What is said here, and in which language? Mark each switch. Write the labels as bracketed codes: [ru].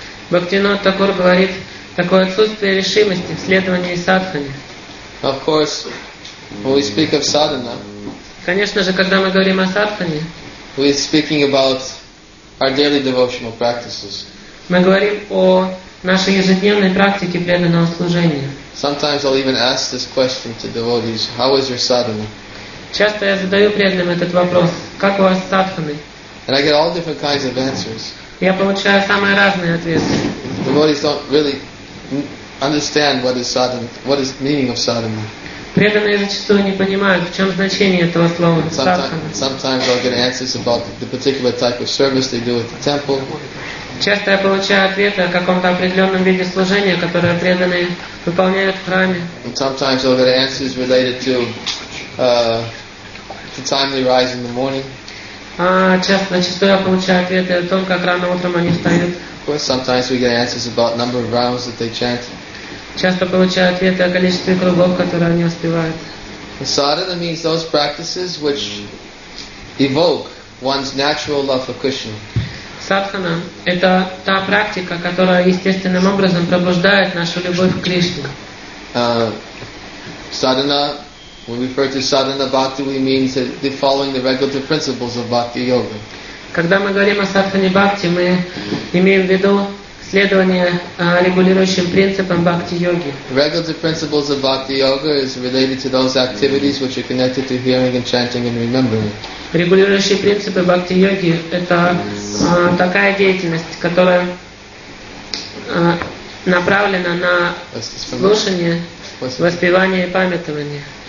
[ru] Бхактивинода Тхакур говорит, такое отсутствие решимости в следовании садхане. [en] Of course, when we speak of sadhana, [ru] конечно же, когда мы говорим о садхане, [en] we are speaking about our daily devotional practices. [ru] Мы говорим о нашей ежедневной практике преданного служения. [en] Sometimes I'll even ask this question to devotees: How is your sadhana? [ru] Часто я задаю преданным этот вопрос: Как у вас с садханой? [en] And I get all different kinds of answers. [ru] Я получаю самые разные ответы. [en] Devotees don't really understand what is sadhana, what is meaning of sadhana. [ru] Преданные зачастую не понимают, в чем значение этого слова садхана. [en] Sometimes I'll get answers about the particular type of service they do at the temple. [ru] Часто я получаю ответы о каком-то определенном виде служения, которое преданные выполняют в храме. [en] And sometimes I'll get answers related to the time they rise in the morning. [ru] Зачастую я получаю ответы о том, как рано утром они встают. [en] Sometimes we get answers about number of rounds that they chant. [ru] Часто получаю ответы о количестве кругов, которые они успевают. [en] Sadhana means those practices which evoke one's natural love for Krishna. [ru] Садхана — это та практика, которая естественным образом пробуждает нашу любовь к Кришне. [en] Sadhana, when we refer to sadhana bhakti, we mean the following the regulative principles of bhakti yoga. [ru] Когда мы говорим о садхане бхакти, мы имеем в виду следование регулирующим принципам бхакти йоги. [en] Regulative principles of bhakti yoga is related to those activities which are connected to hearing and chanting and remembering. [ru] Регулирующие принципы бхакти йоги это такая деятельность, которая направлена на слушание, воспевание и памятование.